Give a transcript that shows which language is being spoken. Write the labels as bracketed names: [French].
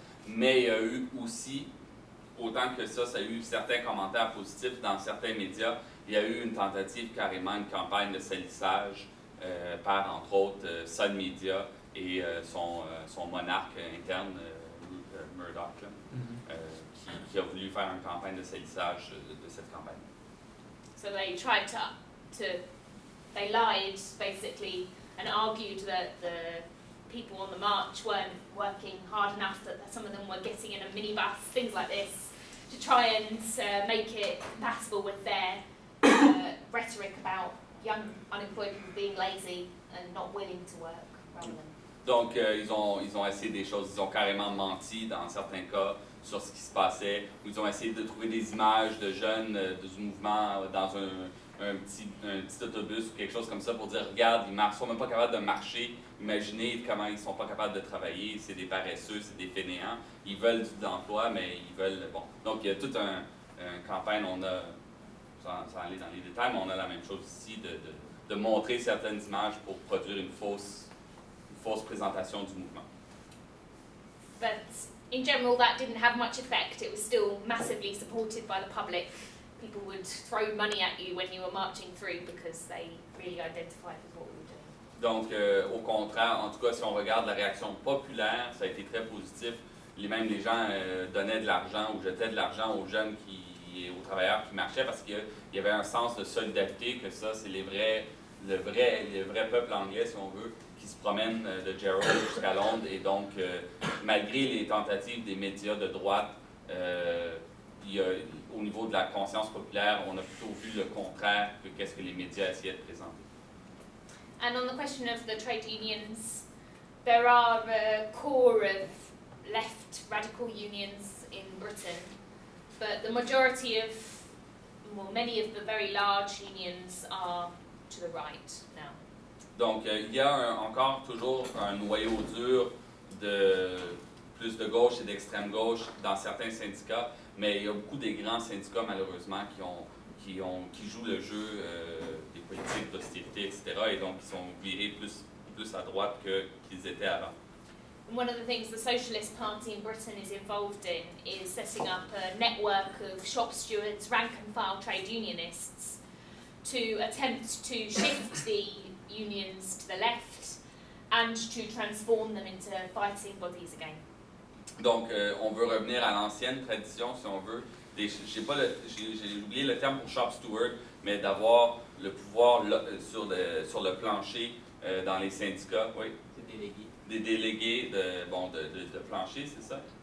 [French] Mais il y a eu aussi, autant que ça, ça a eu certains commentaires positifs dans certains médias, il y a eu une tentative carrément, une campagne de salissage par, entre autres, Sun Media et son monarque interne, Murdoch, là, mm-hmm. qui a voulu faire une campagne de salissage de cette campagne. [English] So they tried they lied, basically, and argued that the people on the march weren't working hard enough, that some of them were getting in a minibus, things like this, to try and make it compatible with their rhetoric about young unemployed people being lazy and not willing to work rather than... [French] Donc, ils ont essayé des choses, ils ont carrément menti dans certains cas sur ce qui se passait. Ils ont essayé de trouver des images de jeunes du mouvement dans un petit autobus ou quelque chose comme ça pour dire, regarde, ils ne sont même pas capables de marcher. Imaginez comment ils ne sont pas capables de travailler. C'est des paresseux, c'est des fainéants. Ils veulent de l'emploi, mais ils veulent... Bon, donc il y a toute une campagne, on a, sans aller dans les détails, mais on a la même chose ici, de montrer certaines images pour produire une fausse présentation du mouvement. [English] But in general, that didn't have much effect. It was still massively supported by the public. people would throw money at you when you were marching through because they really identified with what we were doing. [French] Donc, au contraire, en tout cas, si on regarde la réaction populaire, ça a été très positif. Même les gens donnaient de l'argent ou jetaient de l'argent aux jeunes qui, aux travailleurs qui marchaient parce qu'il y avait un sens de solidarité, que ça, c'est les vrais, le vrai peuple anglais, si on veut, qui se promène de Gerald jusqu'à Londres. Et donc, malgré les tentatives des médias de droite, au niveau de la conscience populaire, on a plutôt vu le contraire que qu'est-ce que les médias essayaient de présenter. [English] And on the question of the trade unions, there are a core of left radical unions in Britain, but the majority of, well, many of the very large unions are to the right now. [French] Donc, il y a encore toujours un noyau dur de plus de gauche et d'extrême gauche dans certains syndicats, mais il y a beaucoup des grands syndicats, malheureusement, qui jouent le jeu des politiques d'austérité, etc., et donc qui sont virés plus à droite qu'ils étaient avant. [English] One of the things the Socialist Party in Britain is involved in is setting up a network of shop stewards, rank and file trade unionists, to attempt to shift the unions to the left and to transform them into fighting bodies again. [French] Donc, on veut revenir à l'ancienne tradition, si on veut. J'ai oublié le terme pour shop steward, mais d'avoir le pouvoir sur le plancher dans les syndicats, oui. C'est délégué. Des délégués de plancher, c'est ça?